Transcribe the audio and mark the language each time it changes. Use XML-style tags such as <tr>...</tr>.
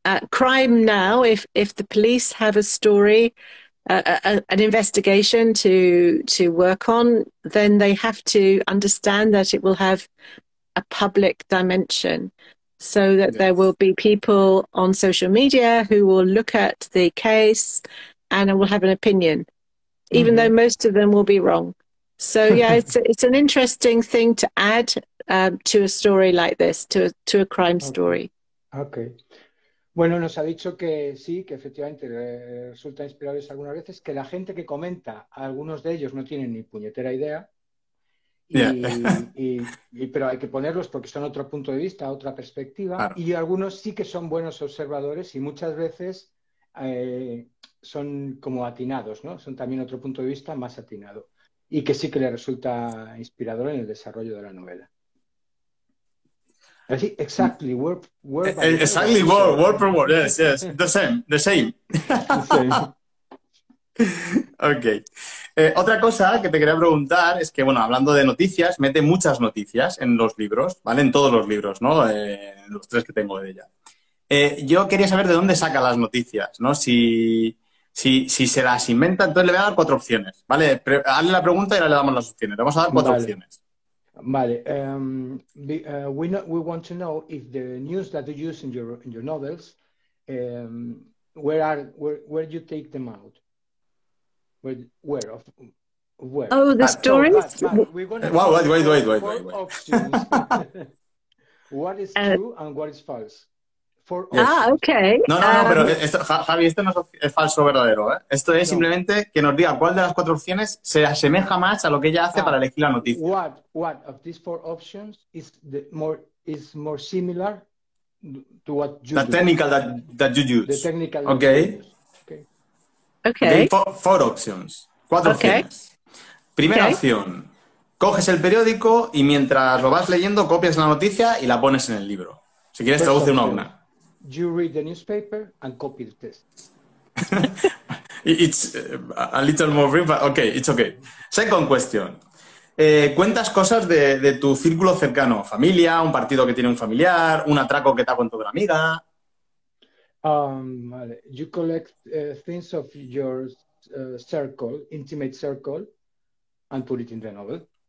<en>crime now, if the police have a story, an investigation to work on, then they have to understand that it will have a public dimension, so that there will be people on social media who will look at the case and will have an opinion, even though most of them will be wrong. So, yeah, it's an interesting thing to add to a story like this, to a crime story. Okay.</en> <es>Bueno, nos ha dicho que sí, que efectivamente resulta inspirador algunas veces, que la gente que comenta, algunos de ellos no tienen ni puñetera idea, pero hay que ponerlos porque son otro punto de vista, otra perspectiva, claro. Y algunos sí que son buenos observadores y muchas veces son como atinados, ¿no? Son también otro punto de vista más atinado y que sí que le resulta inspirador en el desarrollo de la novela.</es> <en>Exactly, word by exactly, word for word, yes, the same. Okay.</en> <es>Otra cosa que te quería preguntar es que, bueno, hablando de noticias, mete muchas noticias en los libros, ¿vale? En todos los libros, ¿no? Los tres que tengo de ella. Yo quería saber de dónde saca las noticias, ¿no? Si se las inventa, entonces le voy a dar cuatro opciones, ¿vale? Hazle la pregunta y ahora le damos las opciones. Le vamos a dar cuatro opciones.</es> <en>Vale, we want to know if the news that you use in your novels, where do you take them out? Where? Oh, the stories. Wait. What is true and what is false? Okay.</en> <es>No, pero esto, Javi, esto no es falso o verdadero, ¿eh? Esto es no. Simplemente que nos diga cuál de las cuatro opciones se asemeja más a lo que ella hace para elegir la noticia.</es> <en>What of these four options is more similar to what you the do? Technical that you use. The technical. Okay. Okay. Okay.</en> <es>Four options. Cuatro okay. opciones. Primera okay. opción. Coges el periódico y mientras lo vas leyendo copias la noticia y la pones en el libro. Si quieres traduce una a una.</es> <en>You read the newspaper and copy the test. It's a little more brief, but okay, it's okay. Second question.</en> <es>Cuentas cosas de tu círculo cercano, familia, un partido que tiene un familiar, un atraco que te ha contado una amiga. Vale.</es> <en>You collect things of your circle, intimate circle, and put it in the novel.</en>